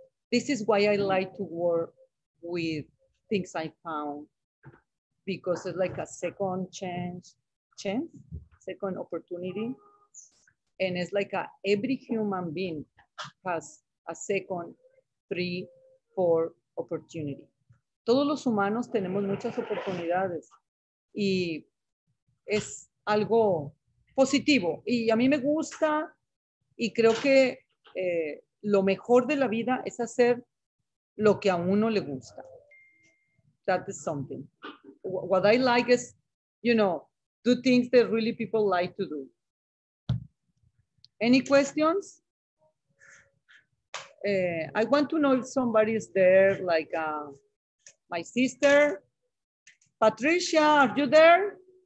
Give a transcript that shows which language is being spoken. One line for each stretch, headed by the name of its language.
English: This is why I like to work with things I found, because it's like a second chance, second opportunity. And it's like every human being has a second, 3, 4 opportunity.
Spanish: Todos los humanos tenemos muchas oportunidades y es algo positivo. Y a mí me gusta y creo que lo mejor de la vida es hacer lo que a uno le gusta.
English: That is something. What I like is, you know, do things that really people like to do. Any questions? I want to know if somebody is there, like, my sister, Patricia, are you there?